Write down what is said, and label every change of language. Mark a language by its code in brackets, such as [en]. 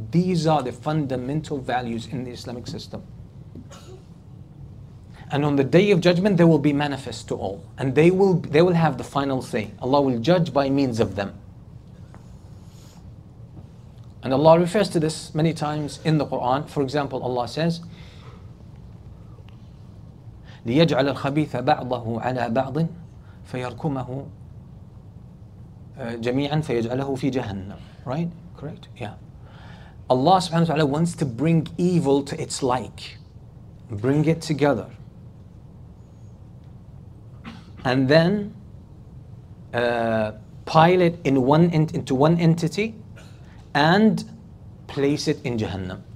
[en] These are the fundamental values in the Islamic system. And on the Day of Judgment, they will be manifest to all. And they will have the final say. Allah will judge by means of them. And Allah refers to this many times in the Quran. [ar] For example, Allah says, لِيَجْعَلَ الْخَبِيثَ بَعْضَهُ عَلَى بَعْضٍ فَيَرْكُمَهُ جَمِيعًا فَيَجْعَلَهُ فِي جَهَنَّمٍ. [en] Right? Correct? Yeah. Allah subhanahu wa ta'ala wants to bring evil to its like. Bring it together. And then pile it into one entity and place it in Jahannam.